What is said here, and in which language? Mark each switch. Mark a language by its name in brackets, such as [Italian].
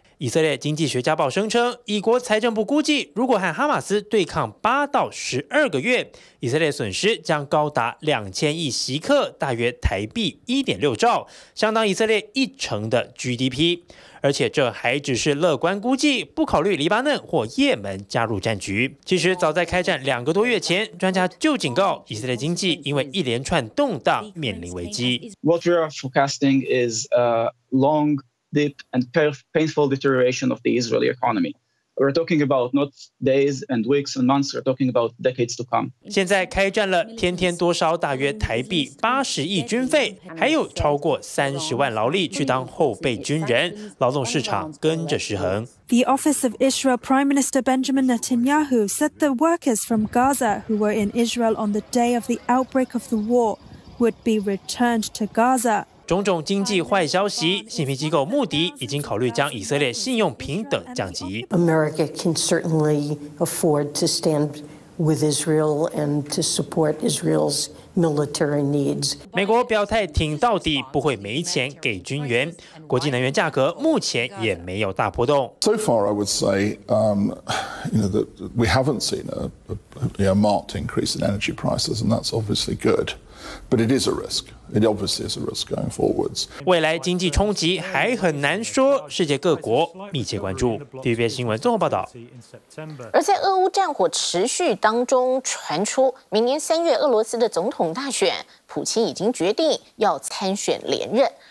[Chinese] 以色列经济学家报声称，以国财政部估计，如果和哈马斯对抗8到12个月，以色列损失将高达2000亿锡克，大约台币1.6兆，相当以色列10%的 GDP。而且这还只是乐观估计，不考虑黎巴嫩或也门加入战局。其实早在开战2个多月前，专家就警告以色列经济因为一连串动荡面临危机。 [English] What we are forecasting is a long, deep, and painful deterioration of the Israeli economy. We're talking about not days and weeks and months. We're talking about decades to come. [Chinese] 现在开战了，天天多烧大约台币80亿军费，还有超过30万劳力去当后备军人，劳动市场跟着失衡。 [English] The office of Israel Prime Minister Benjamin Netanyahu said the workers from Gaza who were in Israel on the day of the outbreak of the war would be returned to Gaza. [Chinese] 种种经济坏消息，信评机构穆迪已经考虑将以色列信用评等降级。 [English] America can certainly afford to stand with Israel and to support Israel's military needs. [Chinese] 美国表态挺到底，不会没钱给军援。国际能源价格目前也没有大波动。 [English] So far, I would say, that we haven't seen a marked increase in energy prices, and that's obviously good. But it is a risk. It obviously is a risk going forwards. [Chinese] 未来经济冲击还很难说，世界各国密切关注。 TVBS 新闻综合报道。而在俄乌战火持续当中，传出明年3月俄罗斯的总统大选，普京已经决定要参选连任。